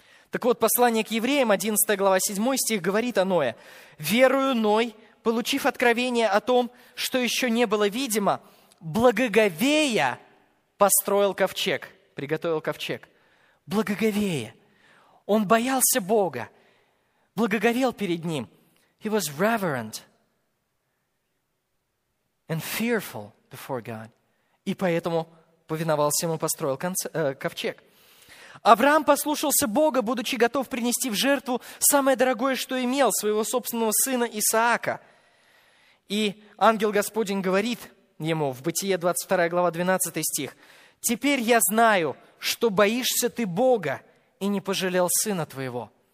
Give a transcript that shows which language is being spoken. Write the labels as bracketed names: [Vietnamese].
[Russian] Так вот, послание к евреям, 11 глава, 7 стих, говорит о Ное. «Верую Ной, получив откровение о том, что еще не было видимо, благоговея построил ковчег», приготовил ковчег. Благоговея. Он боялся Бога, благоговел перед Ним. [English] He was reverent and fearful before God. [Russian] И поэтому повиновался Ему, построил ковчег. Авраам послушался Бога, будучи готов принести в жертву самое дорогое, что имел, своего собственного сына Исаака. И ангел Господень говорит ему в Бытие 22 глава 12 стих, «Теперь я знаю, что боишься ты Бога и не пожалел сына твоего».